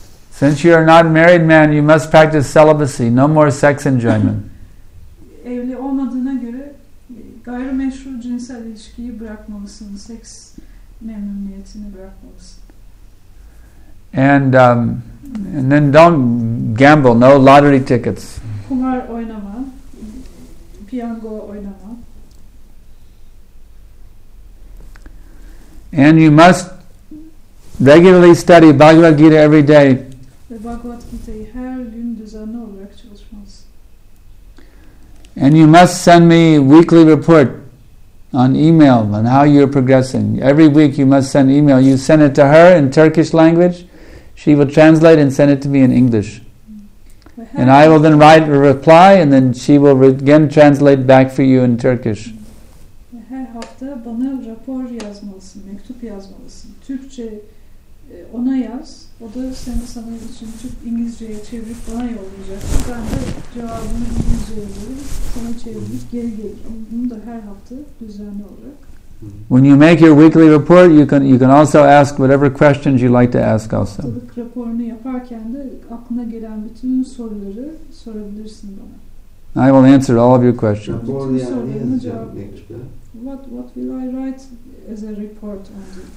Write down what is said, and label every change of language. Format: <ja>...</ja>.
<en>Since you are not a married man, you must practice celibacy. No more sex enjoyment.</en> <tr>Evli olmadığına göre gayrimeşru cinsel ilişkiyi bırakmalısın, seks memnuniyetini bırakmalısın.</tr> <en>And then don't gamble, no lottery tickets.</en> <tr>Kumar oynama, piyango oynama.</tr> <en>And you must regularly study Bhagavad Gita every day.</en> <tr>Ve Bhagavad Gita'yı her gün düzenli olarak çalışmalısın.</tr> <en>And you must send me weekly report on email on how you're progressing. Every week you must send email. You send it to her in Turkish language. She will translate and send it to me in English. And I will then write a reply and then she will again translate back for you in Turkish.</en> <tr>Her hafta bana rapor yazmalısın, mektup yazmalısın. Türkçe ona yaz. O da seni sana için çok İngilizceye çevirip bana yollayacak. Ben de cevabını İngilizceye verip sana çevirip geri gelirim. Bunu da her hafta düzenli olarak.</tr> <en>When you make your weekly report, you can also ask whatever questions you like to ask also.</en> <tr>Haftalık raporunu yaparken de aklına gelen bütün soruları sorabilirsin bana.</tr> <en>I will answer all of your questions. What will I write as a report on this?</en>